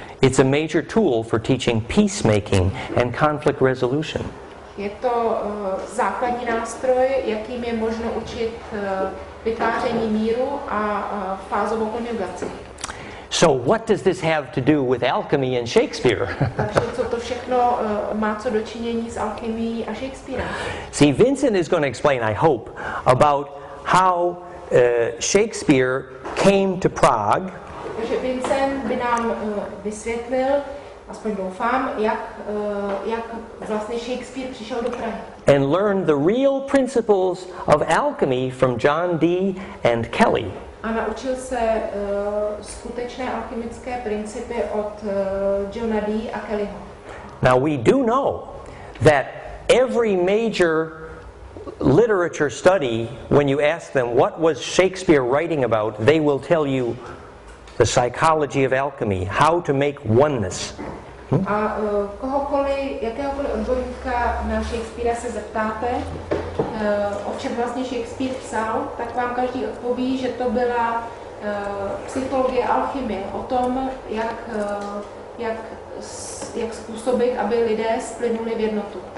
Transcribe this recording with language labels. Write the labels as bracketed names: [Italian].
[English] It's a major tool for teaching peacemaking and conflict resolution. [Czech] Je to základní nástroj, jakým je možno učit vytváření míru a fázovou konjugaci. [English] So what does this have to do with alchemy and Shakespeare? [Czech] Co to všechno má co dočinění s alchemií a Shakespearem? [English] See, Vincent is going to explain, I hope, about how Shakespeare came to Prague. [Czech] Takže Vincent by nám vysvětlil, aspoň doufám, jak vlastně Shakespeare přišel do Prahy. [English] And learned the real principles of alchemy from John Dee and Kelly. [Czech] A naučil se skutečné alchymické principy od Johna Dee a Kellyho. [English] Now we do know that every major literature study, when you ask them what was Shakespeare writing about, they will tell you the psychology of alchemy, how to make oneness. [Czech] A jakéhokoliv odborníka na Shakespeara se zeptáte, o čem vlastně Shakespeare psal, tak vám každý odpoví, že to byla psychologie alchymie, o tom, jak způsobit, aby lidé splynuli v jednotu.